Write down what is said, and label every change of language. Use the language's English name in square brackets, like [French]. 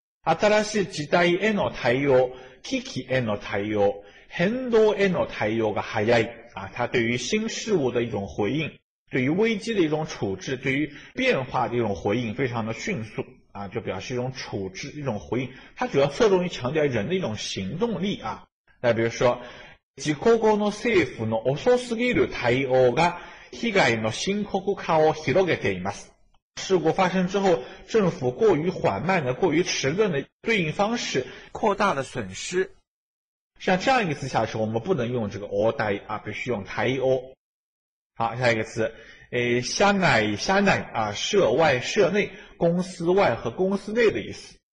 [Japanese] 新しい時代への対応、危機への対応、変動への対応が早い、 [Chinese] 啊，他对于新事物的一种回应，对于危机的一种处置，对于变化的一种回应非常的迅速啊，就表示一种处置、一种回应，他主要侧重于强调人的一种行动力啊。那比如说 [Japanese] 自国語の政府の遅すぎる対応が被害の深刻化を広げています。 [Chinese] 事故发生之后，政府过于缓慢的、过于迟钝的对应方式，扩大了损失。像这样一个词下去，我们不能用这个応対啊，必须用対応。好，下一个词，社内、社内啊，社外、社内，公司外和公司内的意思。